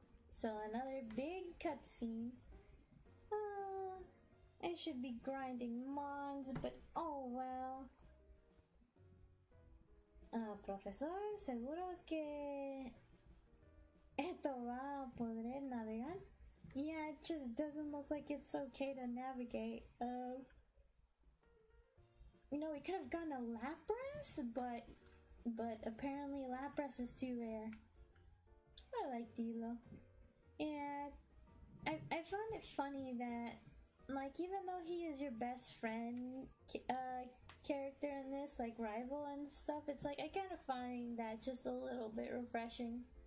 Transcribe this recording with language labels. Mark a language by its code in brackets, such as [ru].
[en] So another big cutscene. I should be grinding mons, but oh well. [es] Profesor, seguro que esto va a poder navegar. [en] Yeah, it just doesn't look like it's okay to navigate. You know, we could have gotten a Lapras, but But apparently Lapras is too rare. I like D-Lo. And I found it funny that, like, even though he is your best friend character in this, like, rival and stuff, it's like, I kind of find that just a little bit refreshing.